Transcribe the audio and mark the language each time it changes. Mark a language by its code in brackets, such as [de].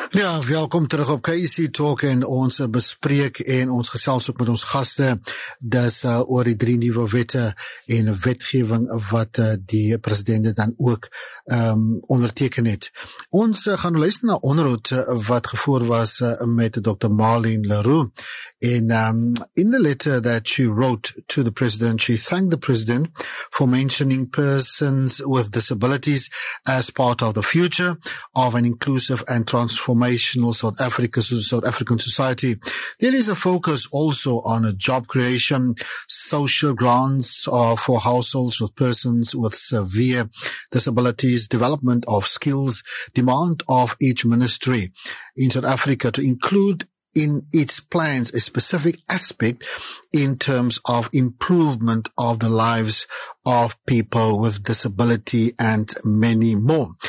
[af] Ja, welkom terug op Casey Talk en ons bespreek en ons gesels ook met ons gaste. Dis oor die drie nuwe wette en wetgewing wat die president dan ook onderteken het. Ons gaan luister na onderhoud wat gevoer was met Dr. Marlene Leroux [en] In the letter that she wrote to the president, she thanked the president for mentioning persons with disabilities as part of the future of an inclusive and transformational South African society. There is a focus also on a job creation, social grants for households with persons with severe disabilities, development of skills, demand of each ministry in South Africa to include in its plans a specific aspect in terms of improvement of the lives of people with disability and many more.